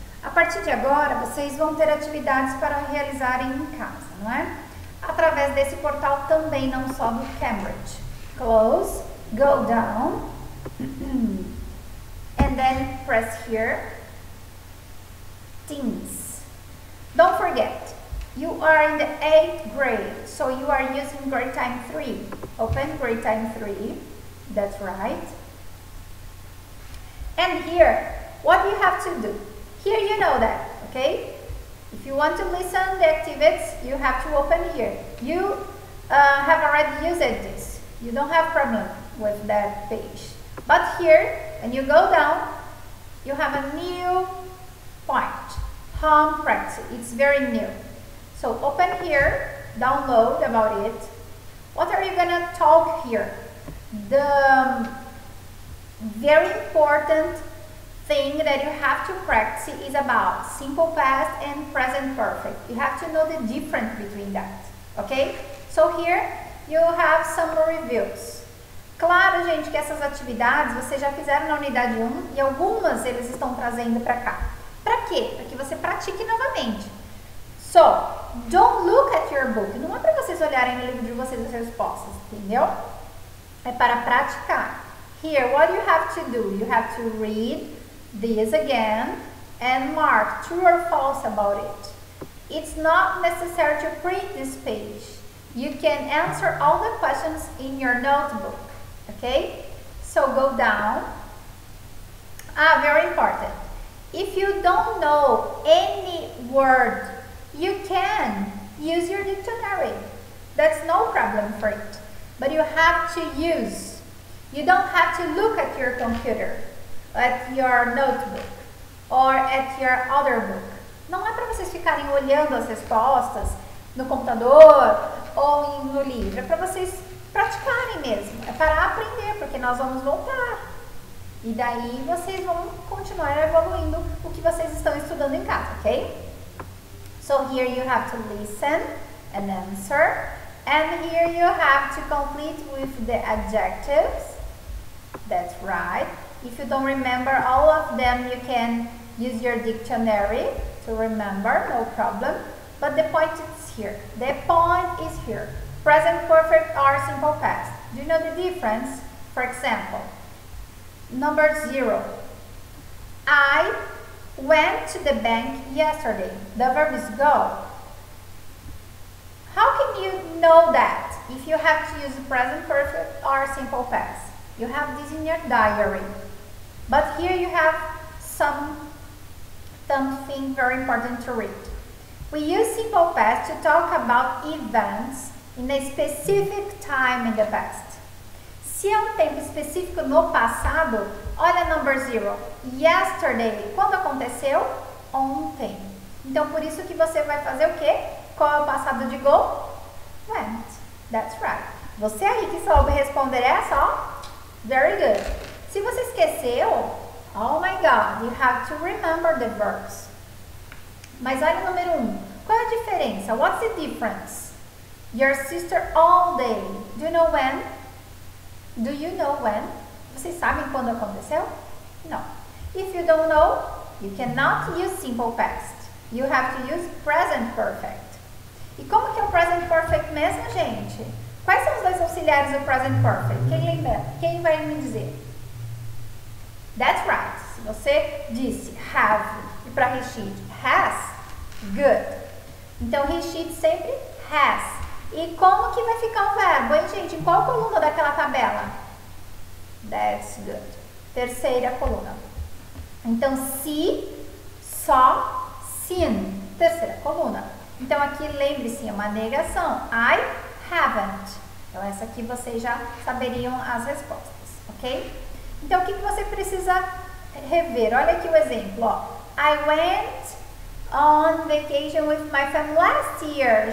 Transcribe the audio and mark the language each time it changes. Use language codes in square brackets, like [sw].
[pt] A partir de agora, vocês vão ter atividades para realizarem em casa, não é? Através desse portal também, não só do Cambridge. [en] Close, go down, and then press here, things. Don't forget, you are in the 8th grade, so you are using grade time 3. Open grade time 3, that's right. And here, what you have to do? Here you know that, okay? If you want to listen to the activities, you have to open here. You have already used this. You don't have problem with that page. But here, when you go down, you have a new point. Home practice. It's very new. So open here, download about it. What are you gonna talk here? The very important thing that you have to practice is about simple past and present perfect. You have to know the difference between that, okay? So here you have some reviews. [pt] Claro, gente, que essas atividades vocês já fizeram na unidade 1 e algumas eles estão trazendo para cá. Para quê? Para que você pratique novamente. [en] So, don't look at your book. [pt] Não é para vocês olharem no livro de vocês as respostas, entendeu? É para praticar. [en] Here, what you have to do? You have to read this again and mark true or false about it. It's not necessary to print this page. You can answer all the questions in your notebook. Okay? So, go down. Ah, very important. If you don't know any word, you can use your dictionary. That's no problem for it. But you have to use. You don't have to look at your computer, at your notebook, or at your other book. [pt] Não é para vocês ficarem olhando as respostas no computador ou no livro. É para vocês praticarem mesmo. É para aprender, porque nós vamos voltar. E daí vocês vão continuar evoluindo o que vocês estão estudando em casa, ok? [en] So here you have to listen and answer. And here you have to complete with the adjectives. That's right. If you don't remember all of them, you can use your dictionary to remember, no problem. But the point is here. The point is here. Present perfect or simple past. Do you know the difference? For example, number 0. I went to the bank yesterday. The verb is go. How can you know that if you have to use present perfect or simple past? You have this in your diary. But here you have something very important to read. We use simple past to talk about events in a specific time in the past. [pt] Se é tempo específico no passado, olha number 0. [en] Yesterday. [pt] Quando aconteceu? Ontem. Então, por isso que você vai fazer o quê? Qual é o passado de go? [en] Went. That's right. [pt] Você aí que soube responder essa, ó. [en] Very good. [pt] Se você esqueceu, [en] oh my God, you have to remember the verbs. [pt] Mas olha número 1. Qual é a diferença? [en] What's the difference? Your sister all day. Do you know when? Do you know when? [pt] Vocês sabem quando aconteceu? [en] No. If you don't know, you cannot use simple past. You have to use present perfect. [pt] E como que é o present perfect mesmo, gente? Quais são os dois auxiliares do present perfect? Quem lembra? Quem vai me dizer? [en] That's right. [pt] Se você disse have e para [en] he, she has, good. [pt] Então, he, she sempre has. E como que vai ficar o verbo, hein, gente? Em qual coluna daquela tabela? [en] That's good. [pt] Terceira coluna. Então, [en] see, saw, seen. [pt] Terceira coluna. Então, aqui, lembre-se, é uma negação. [en] I haven't. [pt] Então, essa aqui vocês já saberiam as respostas, ok? Então, o que você precisa rever? Olha aqui o exemplo, ó. [en] I went on vacation with my family last year.